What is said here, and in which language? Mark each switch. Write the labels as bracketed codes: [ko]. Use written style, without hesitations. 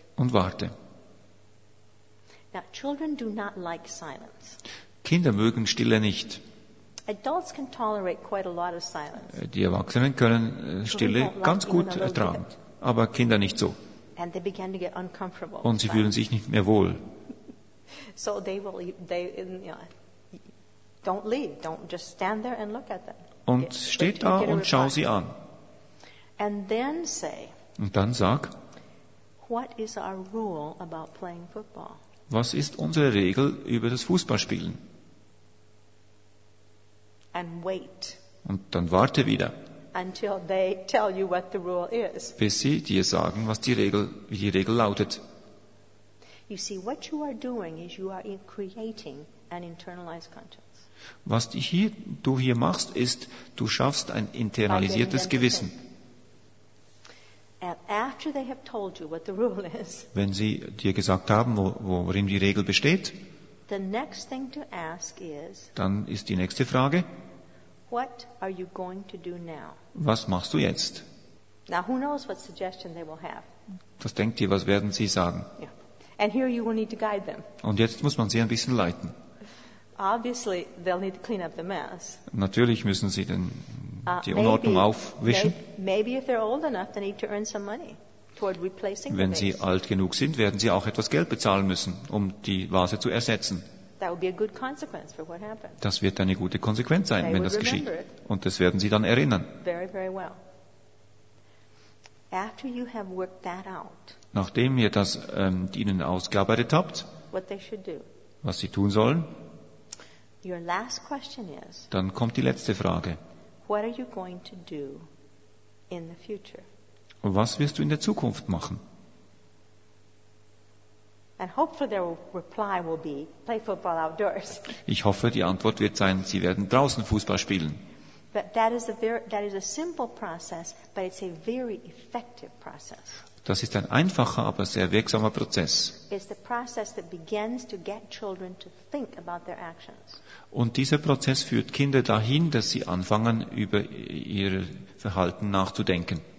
[de] Und warte. [en] Now, children do not like silence. [de] Kinder mögen Stille nicht. [en] Adults can tolerate quite a lot of silence. [de] Die Erwachsenen können Stille ganz gut ertragen, aber Kinder nicht so. [en] And they begin to get uncomfortable. [de] Und sie fühlen sich nicht mehr wohl. [en] So they will, they, you know, don't leave, don't just stand there and look at them. [de] Und steht da und schau sie an. [en] And then say. [de] Und dann sag. [en] What is our rule about playing football? [de] Was ist unsere Regel über das Fußballspielen? [en] And wait. [de] Und dann warte wieder. [en] Until they tell you what the rule is. [de] Bis sie dir sagen, was die Regel, wie die Regel lautet. [en] You see, what you are doing is you are creating an internalized conscience. [de] Was du hier machst, ist, du schaffst ein internalisiertes Gewissen. [en] After they have told you what the rule is, [de] wenn sie dir gesagt haben, worin die Regel besteht, [en] the next thing to ask is, [de] dann ist die nächste Frage, [en] what are you going to do now? [de] Was machst du jetzt? [en] Now who knows what suggestion they will have? [de] Was denkt ihr, was werden sie sagen? [en] Yeah. And here you will need to guide them. [de] Und jetzt muss man sie ein bisschen leiten. [en] Obviously they'll need to clean up the mess. [de] Natürlich müssen sie den die Unordnung aufwischen. [en] Maybe if they're old enough, they need to earn some money toward replacing. [de] Wenn sie alt genug sind, werden sie auch etwas Geld bezahlen müssen, um die Vase zu ersetzen. [en] That would be a good consequence for what happened. [de] Das wird eine gute Konsequenz sein, [en] they [de] wenn das geschieht. Und das werden sie dann erinnern. [en] Very, very well. After you have worked that out, [de] nachdem ihr das ihnen ausgearbeitet habt, [en] what they should do, [de] was sie tun sollen, [en] your last question is, [de] dann kommt die letzte Frage. [en] What are you going to do in the future? [de] Was wirst du in der Zukunft machen? [en] And hopefully their reply will be, play football outdoors. [de] Ich hoffe, die Antwort wird sein, sie werden draußen Fußball spielen. [en] But that is a very, that is a simple process, but it's a very effective process. [de] Das ist ein einfacher, aber sehr wirksamer Prozess. [en] It's the process that begins to get children to think about their actions. [de] Und dieser Prozess führt Kinder dahin, dass sie anfangen, über ihr Verhalten nachzudenken.